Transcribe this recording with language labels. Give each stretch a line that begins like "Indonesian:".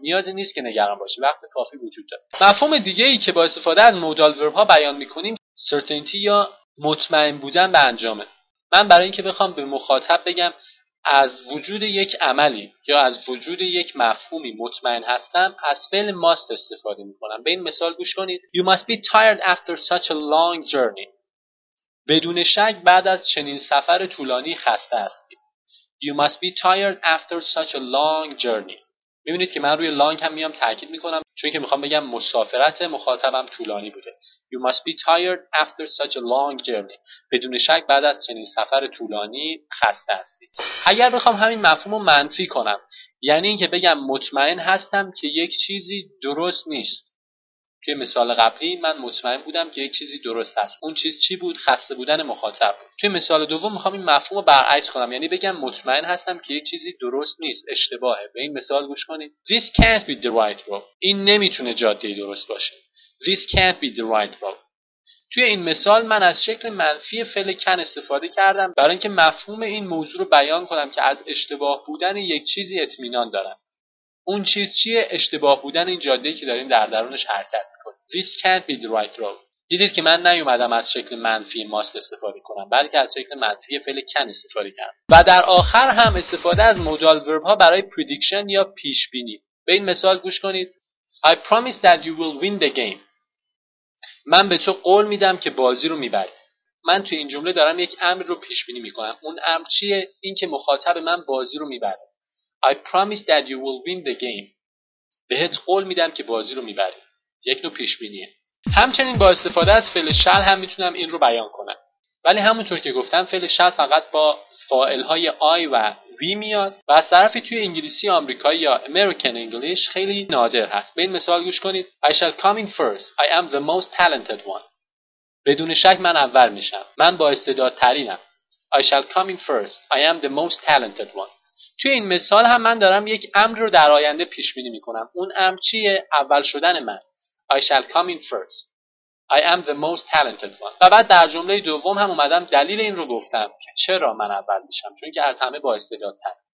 Persian: نیازی نیست که نگران باشی. وقت کافی وجود داره. مفهوم دیگه ای که با استفاده از modal verb ها بیان میکنیم certainty یا مطمئن بودن به انجامه. من برای اینکه بخوام به مخاطب بگم از وجود یک عملی یا از وجود یک مفهومی مطمئن هستم از فعل must استفاده میکنم. به این مثال گوش کنید.
English: You must be tired after such a long journey.
Persian: بدون شک بعد از چنین سفر طولانی خسته هستی.
English: You must be tired after such a long journey.
Persian: میبینید که من روی long هم میام تاکید میکنم چون که میخوام بگم مسافرت مخاطبم طولانی بوده.
English: You must be tired after such a long journey.
Persian: بدون شک بعد از چنین سفر طولانی خسته هستی. اگر بخوام همین مفهوم رو منفی کنم، یعنی اینکه بگم مطمئن هستم که یک چیزی درست نیست. توی مثال قبلی من مطمئن بودم که یک چیزی درست هست. اون چیز چی بود؟ خسته بودن مخاطب. توی مثال دوم میخوام این مفهوم رو برعکس کنم، یعنی بگم مطمئن هستم که یک چیزی درست نیست، اشتباهه. به این مثال گوش کنید.
English: This can't be the right road.
Persian: این نمیتونه جاده درست باشه.
English: This can't be the right road.
Persian: توی این مثال من از شکل منفی فعل can استفاده کردم برای اینکه مفهوم این موضوع رو بیان کنم که از اشتباه بودن یک چیزی اطمینان دارم. اون چیز چیه؟ اشتباه بودن این جاده‌ای که داریم در درونش حرکت می‌کنیم.
English: This can't be the right road.
Persian: دیدید که من نیومدم از شکل منفی must استفاده کنم، بلکه از شکل منفی فعل can استفاده کردم. و در آخر هم استفاده از modal verb ها برای prediction یا پیش‌بینی. به این مثال گوش کنید.
English: I promise that you will win the game.
Persian: من به تو قول میدم که بازی رو می‌بری. من توی این جمله دارم یک امر رو پیش‌بینی می‌کنم. اون امر چیه؟ این که مخاطب من بازی رو می‌بره.
English: I promise that you will win the game.
Persian: بهت قول میدم که بازی رو میبری. یک نوع پیشبینیه. همچنین با استفاده از فعل شل هم میتونم این رو بیان کنم. ولی همونطور که گفتم فعل شل فقط با فاعل های آی و وی میاد و از طرفی توی انگلیسی آمریکایی یا American English خیلی نادر هست. به این مثال گوش کنید.
English: I shall come in first. I am the most talented one.
Persian: بدون شک من اول میشم. من با استعدادترینم.
English: I shall come in first. I am the most talented one.
Persian: توی این مثال هم من دارم یک امر رو در آینده پیش بینی میکنم. اون امر چیه؟
English: اول شدن من. I shall come in first. I am the most talented one.
Persian: و بعد در جمله دوم هم اومدم دلیل این رو گفتم که چرا من اول میشم، چون که از همه با استعدادتر.